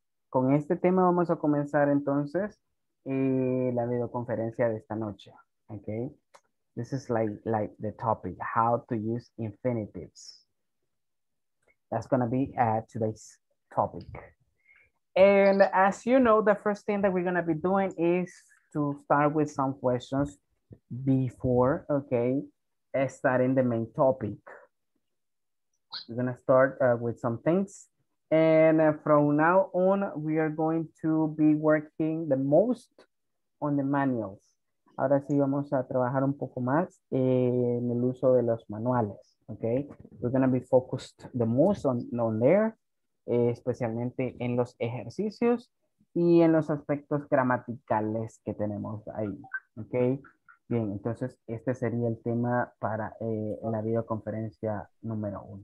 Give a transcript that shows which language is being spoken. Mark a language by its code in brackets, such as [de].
[es] Con este tema vamos a comenzar entonces la videoconferencia de esta noche. [en] Okay, this is like the topic, how to use infinitives. That's going to be today's topic. And as you know, the first thing that we're going to be doing is to start with some questions before, okay, starting the main topic. We're going to start with some things. And from now on, we are going to be working the most on the manuals. [es] Ahora sí vamos a trabajar un poco más en el uso de los manuales. [en] Okay, we're going to be focused the most on there, [es] especialmente en los ejercicios y en los aspectos gramaticales que tenemos ahí. Okay, bien, entonces este sería el tema para la videoconferencia número uno.